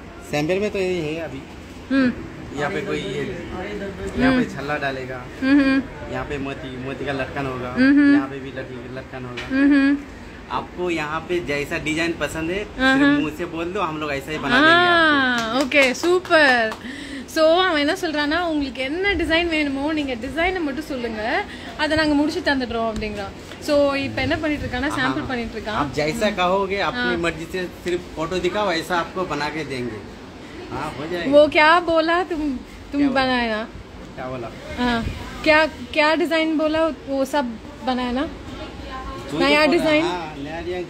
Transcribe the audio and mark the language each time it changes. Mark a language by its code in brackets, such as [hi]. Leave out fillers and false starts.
[hi] Sample में तो यही है अभी। यहाँ पे कोई ये छल्ला डालेगा, यहाँ पे मोती मोती का लटकन होगा, यहाँ पे भी लटकन होगा। आपको यहाँ पे जैसा डिजाइन पसंद है मुझसे बोल दो, हम लोग ऐसा ही बना देंगे। Okay super. सो हम [ta] என்ன சொல்றானா, உங்களுக்கு என்ன டிசைன் வேணுமோ நீங்க டிசைனை மட்டும் சொல்லுங்க, அத நாங்க முடிச்சு தந்துடுறோம் அப்படிங்கறோம். சோ இப்போ என்ன பண்ணிட்டு இருக்கானா, சாம்பிள் பண்ணிட்டு இருக்கான். [hi] आप जैसा कहोगे अपनी मर्जी से सिर्फ फोटो दिखाओ ऐसा आपको बना के देंगे। हां हो जाएगा। वो क्या बोला तुम बनाना? क्या बोला? हां क्या क्या डिजाइन बोला वो सब बनाना? नया डिजाइन